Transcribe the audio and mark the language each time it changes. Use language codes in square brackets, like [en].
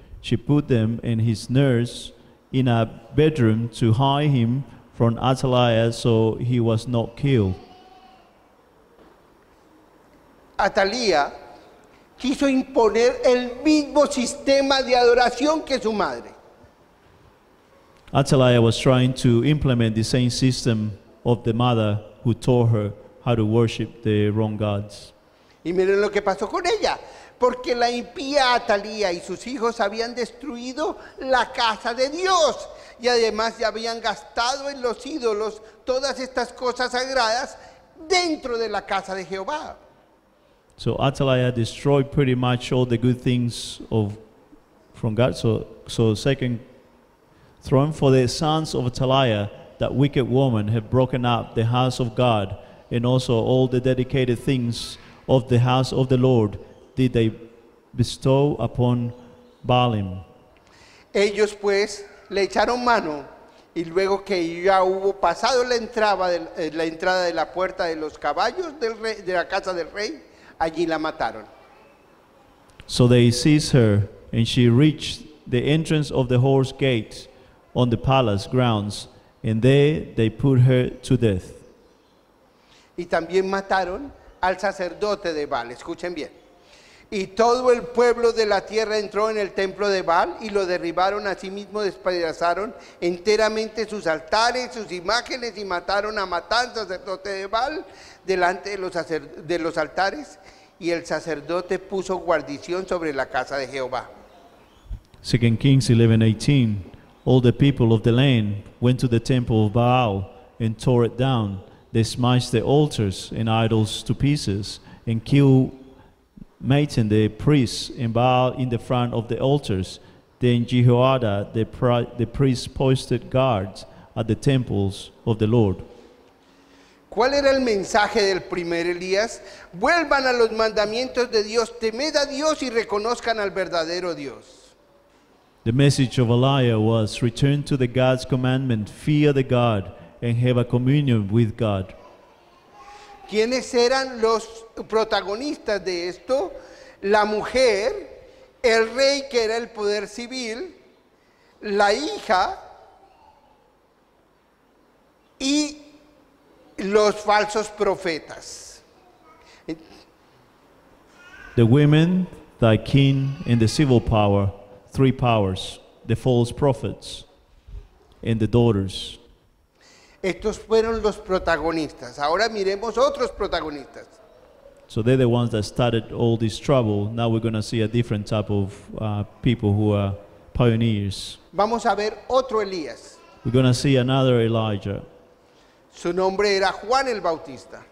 [en] She put them and his nurse in a bedroom to hide him from Athaliah, so he was not killed. [es] Athaliah quiso imponer el mismo sistema de adoración que su madre. [en] Athaliah was trying to implement the same system of the mother who taught her how to worship the wrong gods. [es] Y miren lo que pasó con ella. Porque la impía Athaliah y sus hijos habían destruido la casa de Dios. Y además ya habían gastado en los ídolos todas estas cosas sagradas dentro de la casa de Jehová. [en] So Athaliah destroyed pretty much all the good things from God. So second throne, for the sons of Athaliah, that wicked woman, have broken up the house of God, and also all the dedicated things of the house of the Lord did they bestow upon Balaam. [es] Ellos pues le echaron mano, y luego que ya hubo pasado la entrada de la puerta de los caballos del rey, de la casa del rey, allí la mataron. [en] So they seized her, and she reached the entrance of the horse gate on the palace grounds, and there they put her to death. [es] Y también mataron al sacerdote de Baal, escuchen bien. Y todo el pueblo de la tierra entró en el templo de Baal y lo derribaron, asimismo despedazaron enteramente sus altares, sus imágenes, y mataron a Matán, sacerdote de Baal, delante de los altares, y el sacerdote puso guarnición sobre la casa de Jehová. [en] 2 Kings 11:18. All the people of the land went to the temple of Baal and tore it down. They smashed the altars and idols to pieces and killed Matan, the priest, and Baal in the front of the altars. Then Jehoiada, the priest, posted guards at the temples of the Lord. [es] ¿Cuál era el mensaje del primer Elías? Vuelvan a los mandamientos de Dios, temed a Dios y reconozcan al verdadero Dios. [en] The message of Elijah was, return to the God's commandment, fear the God, and have a communion with God. [es] ¿Quiénes eran los protagonistas de esto? La mujer, el rey, que era el poder civil, la hija y los falsos profetas. [en] The women, thy king, and the civil power, three powers, the false prophets, and the daughters. [es] Estos fueron los protagonistas. Ahora miremos otros protagonistas. [en] So they're the ones that started all this trouble. Now we're going to see a different type of people who are pioneers. [es] Vamos a ver otro Elías. [en] We're going to see another Elijah. [es] Su nombre era Juan el Bautista.